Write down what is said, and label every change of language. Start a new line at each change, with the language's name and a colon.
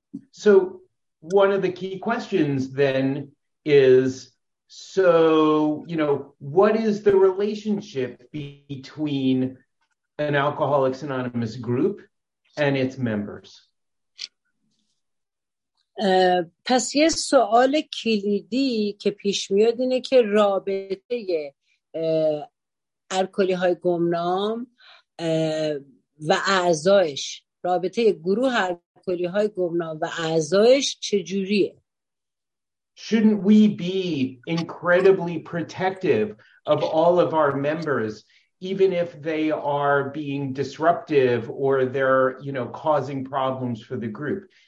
English: So one of the key questions then is, so, you know, what is the relationship between an Alcoholics Anonymous group and its members?
Persian: پس یه سوال کلیدی که پیش میاد اینه که رابطه الکلی های گمنام و اعضایش، رابطه گروه الکلی های گمنام و اعضایش چجوریه؟
English: Shouldn't we be incredibly protective of all of our members, even if they are being disruptive or they're, you know, causing problems for the group?